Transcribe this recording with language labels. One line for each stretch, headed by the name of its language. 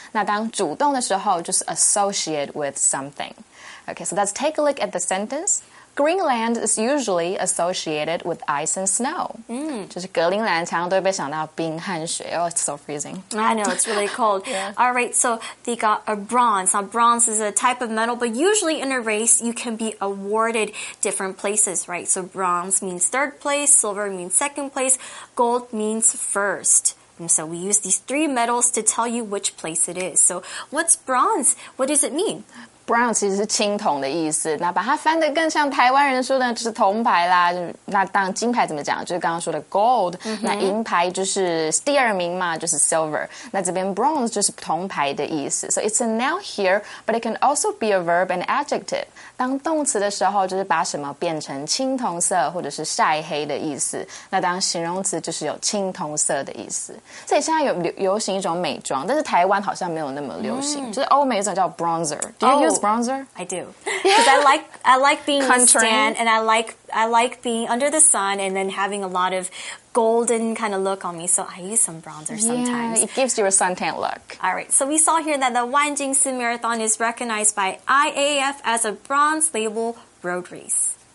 Chinese: 那当主动的时候就是
English: associate with something. Okay, so let's take a look at the sentence. Greenland is usually associated with ice and snow. Mm.
Chinese: 就是格陵兰常常都会被想到冰和雪。
English: Oh, it's so freezing. I know, it's really cold. 、yeah. All right, so they got a bronze. Now, bronze is a type of medal, but usually in a race, you can be awarded different places, right? So bronze means third place, silver means second place, gold means first. So we use these three medals to tell you which place it is. So what's bronze? What does it mean?
Chinese: Bronze 其实是青铜的意思。那把它翻得更像台湾人说的就是铜牌啦。那当金牌怎么讲？就是刚刚说的 gold、 mm-hmm.。那银牌就是第二名嘛，就是 silver。那这边 bronze 就是铜牌的意思。
English: So it's a noun here, but it can also be a verb and adjective.
Chinese: 当动词的时候，就是把什么变成青铜色或者是晒黑的意思。那当形容词就是有青铜色的意思。所以现在有流行一种美妆，但是台湾好像没有那么流行。 Mm. 就是欧美一种叫 bronzer。
English: Do you use bronzer? I do. Because I like being in stand, and I like being under the sun and then having a lot of golden kind of look on me. So I use some bronzer sometimes. Yeah, it gives you a suntan look. All right. So we saw here that the Wanjingsi Marathon is recognized by IAAF as a bronze label road race.